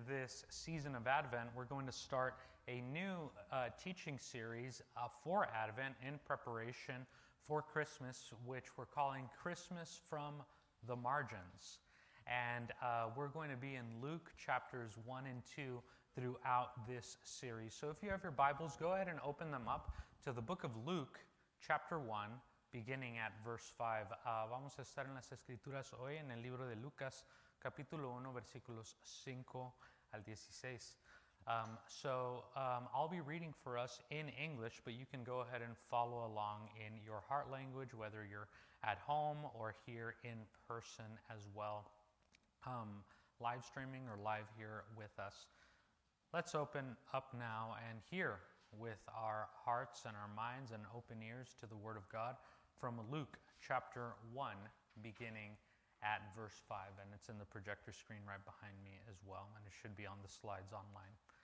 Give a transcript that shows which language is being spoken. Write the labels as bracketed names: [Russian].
[English] this season of Advent, we're going to start a new teaching series for Advent in preparation for Christmas, which we're calling Christmas from the Margins. And we're going to be in Luke chapters 1 and 2 throughout this series. So if you have your Bibles, go ahead and open them up to the book of Luke chapter 1, beginning at verse 5. [Spanish] Vamos a estar en las Escrituras hoy en el libro de Lucas, capítulo 1, versículos 5 al 16. [English] I'll be reading for us in English, but you can go ahead and follow along in your heart language, whether you're at home or here in person as well, live streaming or live here with us. Let's open up now and hear with our hearts and our minds and open ears to the Word of God from Luke chapter 1, beginning at verse 5, and it's in the projector screen right behind me as well, and it should be on the slides online.